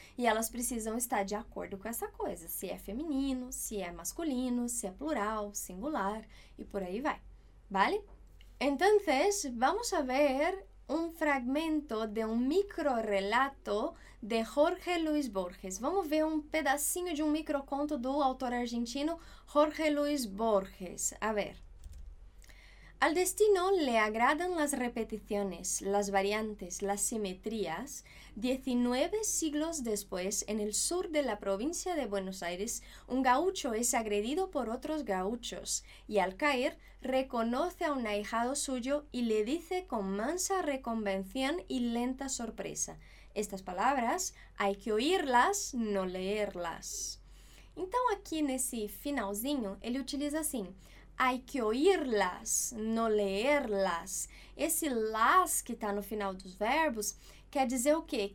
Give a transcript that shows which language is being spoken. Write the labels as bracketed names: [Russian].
[Portuguese] E elas precisam estar de acordo com essa coisa. Se é feminino, se é masculino, se é plural, singular e por aí vai. [Spanish] Vale? Entonces, vamos a ver un fragmento de un micro relato de Jorge Luis Borges. [Portuguese] Vamos ver um pedacinho de um micro conto do autor argentino Jorge Luis Borges. [Spanish] A ver. Al destino le agradan las repeticiones, las variantes, las simetrías. 19 siglos después, en el sur de la provincia de Buenos Aires, un gaucho es agredido por otros gauchos y al caer reconoce a un ahijado suyo y le dice con mansa reconvención y lenta sorpresa. Estas palabras hay que oírlas, no leerlas. Então aquí en ese finalzinho, él utiliza así. Hay que oírlas, no leerlas. [Portuguese] Esse las que está no final dos verbos quer dizer o quê?